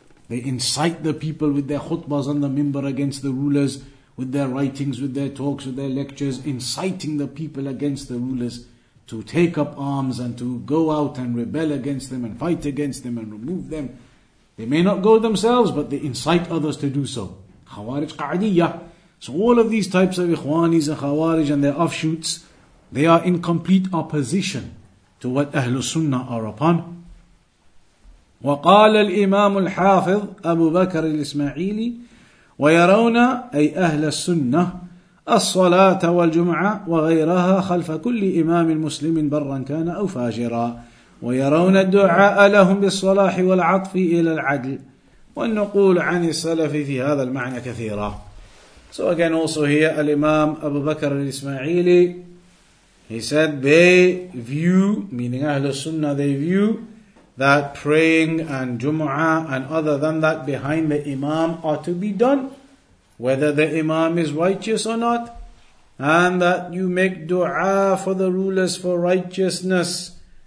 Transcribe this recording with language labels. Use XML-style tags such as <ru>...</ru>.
<en>They incite the people with their khutbahs on the minbar against the rulers, with their writings, with their talks, with their lectures, inciting the people against the rulers to take up arms and to go out and rebel against them and fight against them and remove them. They may not go themselves, but they incite others to do so. Khawarij Qa'diyah. So all of these types of Ikhwanis and Khawarij and their offshoots, they are in complete opposition to what Ahlul Sunnah are upon.</en> <ar>وقال الإمام الحافظ أبو بكر الإسماعيلي ويرون أي أهل السنة الصلاة والجمعة وغيرها خلف كل إمام مسلم برا كان أو فاجرا ويرون الدعاء لهم بالصلاح والعطف إلى العدل. والنقول عن السلف في هذا المعنى كثيرة.</ar> <en>So again, also here, Al-Imam Abu Bakr al-Ismaili, he said, they view, meaning Ahlul Sunnah, they view that praying and Jumu'ah and other than that behind the Imam are to be done, whether the Imam is righteous or not, and that you make dua for the rulers for righteousness.</en>